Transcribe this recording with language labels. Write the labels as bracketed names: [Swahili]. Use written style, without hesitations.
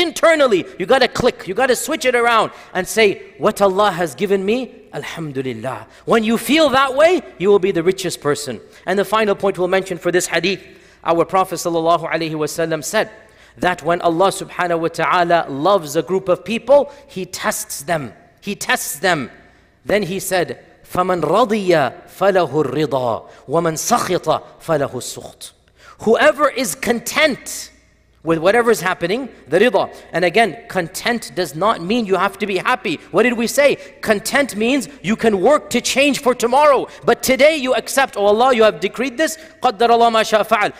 [English] Internally, you got to click. You got to switch it around and say, what Allah has given me, alhamdulillah. When you feel that way, you will be the richest person. And the final point we'll mention for this hadith, our Prophet sallallahu alaihi wasallam said that when Allah subhanahu wa ta'ala loves a group of people, He tests them. He tests them. Then he said, [Arabic] فَمَنْ رَضِيَ فَلَهُ الرِّضَى وَمَنْ سَخِطَ فَلَهُ السُّخْطِ. [English] Whoever is content with whatever is happening, the rida. And again, content does not mean you have to be happy. What did we say? Content means you can work to change for tomorrow. But today you accept, oh Allah, you have decreed this. [Arabic] قَدَّرَ اللَّهُ مَا شَاءَ فَعَلَ.